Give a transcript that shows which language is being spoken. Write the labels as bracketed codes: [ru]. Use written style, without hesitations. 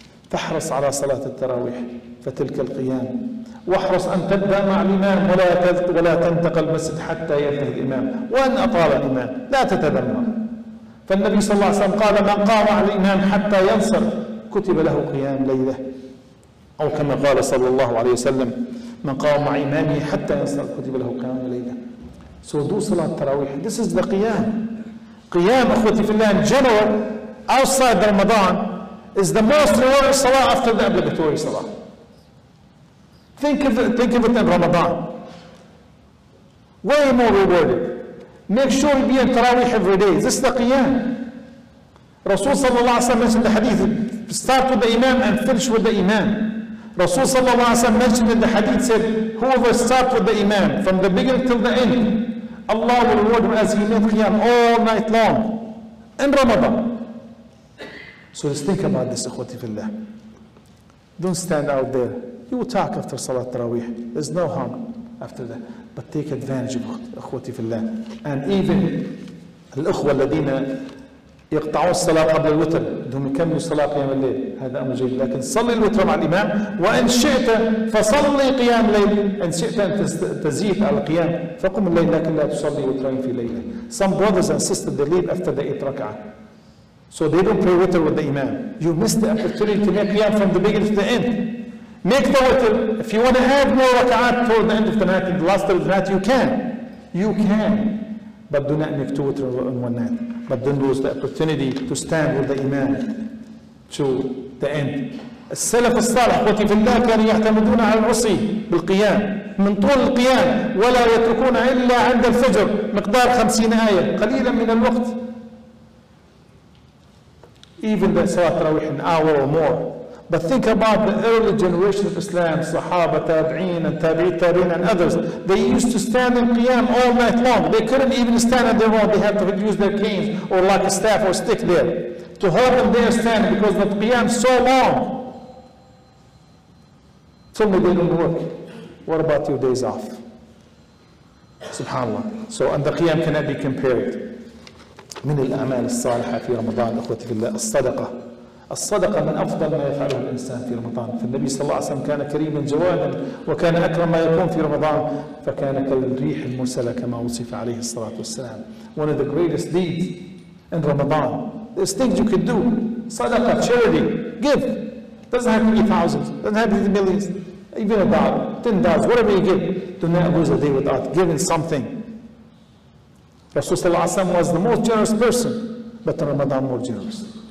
[ar] فاحرص على صلاة التراويح فتلك القيام. واحرص أن تبدأ مع الإمام ولا تنتقل المسجد حتى ينتهي الإمام. وأن أطال الإمام لا تتذمر. فالنبي صلى الله عليه وسلم قال: من قام على الإمام حتى ينصر كتب له قيام ليلة. أو كما قال صلى الله عليه وسلم: من قام مع إمامه حتى ينصر كتب له قيام ليلة. [en] So do صلاة التراويح. This is the قيام. قيام [ar] أخوتي في الله [en] in general outside Ramadan is the most rewarding salah after the obligatory salah. Think of it in Ramadan. Way more rewarded. Make sure you be in Taraweeh every day. This is the Qiyam. Rasul صلى الله عليه وسلم mentioned the hadith. Start with the Imam and finish with the Imam. Rasul صلى الله عليه وسلم mentioned in the hadith said, whoever starts with the Imam from the beginning till the end, Allah will reward him as he made Qiyam all night long in Ramadan. So let's think about this, ikhwati fillah. Don't stand out there. You will talk after Salat Taraweeh. There's no harm after that. But take advantage of it, ikhwati fillah. And even [ar] الإخوة الذين يقطعوا الصلاة قبل الوتر بدهم يكملوا الصلاة قيام الليل. هذا أمر جيد. لكن صلي الوتر مع الإمام وإن شئت فصلي قيام الليل. إن شئت أن تزيد على القيام فقم الليل لكن لا تصلي وترين في ليلة. [en] Some brothers and sisters they leave after the 8 ركعة. So they don't pray witr with the imam. You missed the opportunity to make qiyam from the beginning to the end. Make the witr. If you want to add more rak'at toward the end of the night, the last of the night, you can. You can. But do not make two witr in one night. But don't lose the opportunity to stand with the imam to the end. [ar] السلف الصالح وفي الله كانوا يعتمدون على العصي بالقيام من طول القيام ولا يتركون إلا عند الفجر مقدار 50 آية قليلا من الوقت. [en] Even the Salat Taraweeh, an hour or more. But think about the early generation of Islam, Sahaba, Tabi'in, and Tabi'in, and others. They used to stand in Qiyam all night long. They couldn't even stand at their own. They had to use their canes or like a staff or stick there to hold them there standing because the Qiyam is so long. Tell me they don't work. What about your days off? SubhanAllah. So, and the Qiyam cannot be compared. [ar] من الأعمال الصالحة في رمضان أخوتي في الله الصدقة. الصدقة من أفضل ما يفعله الإنسان في رمضان. فالنبي صلى الله عليه وسلم كان كريما جوادا وكان أكرم ما يكون في رمضان فكان كالريح المرسلة كما وصف عليه الصلاة والسلام. [en] One of the greatest deeds in Ramadan. There's things you could do. صدقة, charity, give. Doesn't have to be thousands, doesn't have to be millions, even a dollar, $10, whatever you give. Do not lose a day without giving something. Rasul صلى الله عليه وسلم was the most generous person, but Ramadan more generous.